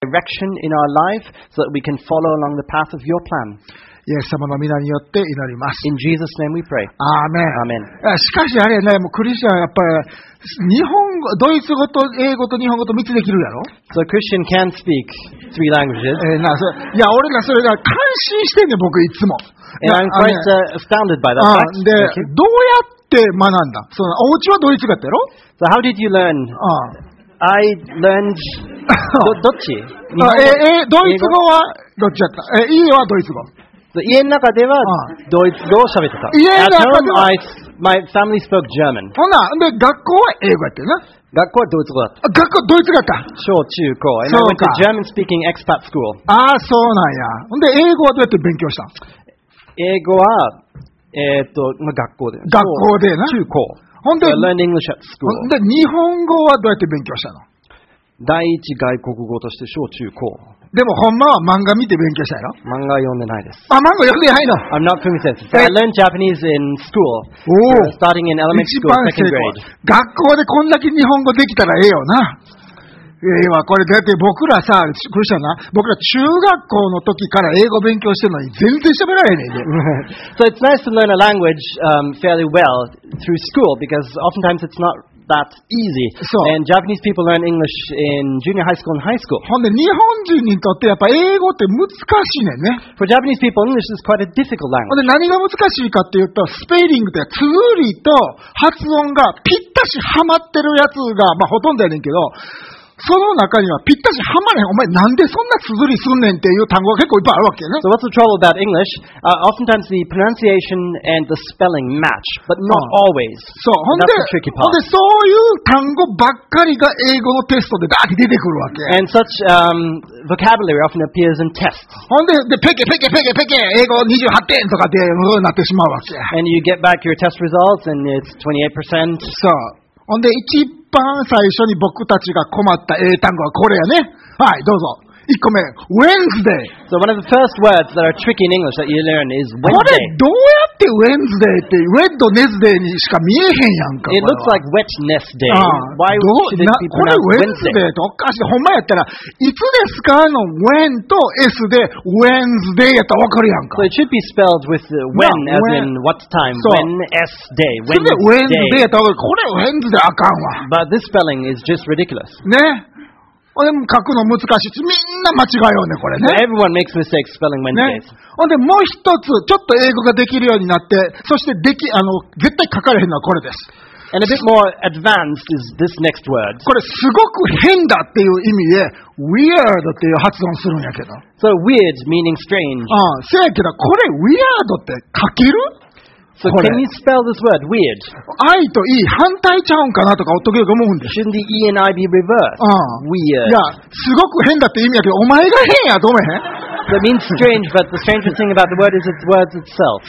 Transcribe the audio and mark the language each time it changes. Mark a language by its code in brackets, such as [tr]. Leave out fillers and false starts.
[en] direction in our life so that we can follow along the path of your plan. [ja] イエス様の皆によって祈ります。 [en] In Jesus' name we pray. [ja] アーメン。アーメン。しかしあれね、もうクリスチャンはやっぱり日本語、ドイツ語と英語と日本語と3つできるやろ。 [en] So Christian can speak three languages. [ja] なそいや俺らそれが感心してんね僕いつも。 [en] And I'm quite astounded by that fact. [ja] でどうやって学んだ。そのお家はドイツ語ってやろ。 [en] So how did you learn? I learned [ja] どっち？ドイツ語はどっちやった？家はドイツ語。家の中ではドイツ語を喋ってた。家の中では [en] my family spoke German。 [ja] ほな、で学校は英語やってるな。学校はドイツ語だった。学校ドイツ語か。小中高。 [en] And I went to German speaking expat school。 [ja] ああ、そうなんや。で英語はどうやって勉強した？英語は学校で。学校でな。中高。ほんで、 [en] so、learn English at school。 [ja] で日本語はどうやって勉強したの？第一外国語として小中高。でもほんまは漫画見て勉強したよ。漫画読んでないです。あ、漫画読んでないの。 [en] I'm not Fumi-sensei. So I learned Japanese in school. Starting in elementary school, second grade. [ja] 学校でこんだけ日本語できたらええよな。ええわ、これだって僕らさ、クリスチャンな、僕ら中学校の時から英語勉強してるのに全然喋られないね。 [en] So it's nice to learn a language fairly well through school because oftentimes it's not that easy. So, and Japanese people learn English in junior high school and high school. [ja] ほんで日本人にとってやっぱ英語って難しいねんね。 [en] For Japanese people, English is quite a difficult language. [ja] ほんで何が難しいかっていうと、スペリングでつづりと発音がぴったしハマってるやつが、まあ、ほとんどやねんけど、その中にはぴったしハマれへん。お前なんでそんなつづりすんねんっていう単語が結構いっぱいあるわけね。 [en] So what's the trouble about English? Oftentimes the pronunciation and the spelling match, but not always. [ja] そう、 [en] and that's the tricky part. [ja] ほんでそういう単語ばっかりが英語のテストでガーッて出てくるわけ。 [en] And such, vocabulary often appears in tests. [ja] ほんで、ペケペケペケペケ、英語28点とかで、なってしまうわけ。 [en] And you get back your test results and it's 28%. [ja] そう。ほんで一番最初に僕たちが困った英単語はこれやね。はい、どうぞ。 1個目、Wednesday。 [en] So one of the first words that are tricky in English that you learn is Wednesday。 [ja] これどうやって Wednesday って、Wednesday にしか見えへんやんか。 [en] It looks like Wednesday。 Why would it be [ja] これ Wednesday っておかしい。ほんまやったら、いつですかの When と S で Wednesday やったらわかるやんか。 [en] So it should be spelled with When as in what time? When S day? [ja] Wednesday やったらわかる。これ Wednesday あかんわ。 [en] But this spelling is just ridiculous。 [ja] ね。でも書くの難しい。みんな間違いよね、これね。 [en] Everyone makes mistakes spelling Wednesdays. [ja] ほんで、もう一つ、ちょっと英語ができるようになって、そして、絶対書かれへんのはこれです。 [en] And a bit more advanced is this next word. [ja] これ、すごく変だっていう意味で、weird っていう発音するんやけど。 [en] So weird meaning strange. [ja] せやけど、これ、weird って書ける？ [en] So can you spell this word weird? [ja] I と E 反対ちゃうんかなとか時々思うんで。 [en] Shouldn't the E and I be reversed? Weird. [ja] いや、すごく変だって意味やけど、お前が変やと思えへん。 [en] That means strange, but the strangest thing about the word is its words itself.